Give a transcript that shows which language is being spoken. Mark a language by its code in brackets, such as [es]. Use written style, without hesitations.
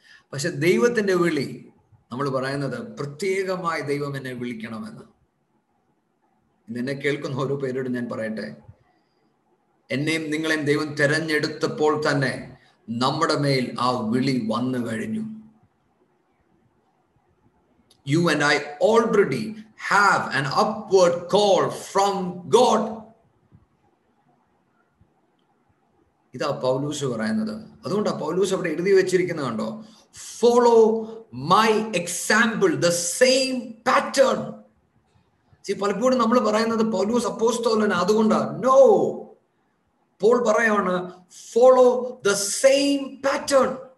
[ml] പക്ഷെ ദൈവത്തിൻ്റെ വിളി, നമ്മൾ പറയുന്നത് പ്രത്യേകമായി ദൈവം എന്നെ വിളിക്കണമെന്ന്. എന്നെ കേൾക്കുന്ന ഓരോ പേരോട് ഞാൻ പറയട്ടെ, എന്നെയും നിങ്ങളെയും ദൈവം തിരഞ്ഞെടുത്തപ്പോൾ തന്നെ നമ്മുടെ മേൽ ആ വിളി വന്നു കഴിഞ്ഞു. [en] You and I already have an upward call from God. [ml] ഇതാ പൗലൂസ് പറയുന്നത്. അതുകൊണ്ടാ പൗലൂസ് അവിടെ എഴുതി വെച്ചിരിക്കുന്ന കണ്ടോ, [en] Follow my example, the same pattern. [ml] പലപ്പോഴും നമ്മൾ പറയുന്നത് പൗലൂസ് അപ്പോസ്തലൻ അതുകൊണ്ടാ, നോ, പോൾ പറയാണ് [en] Follow the same pattern.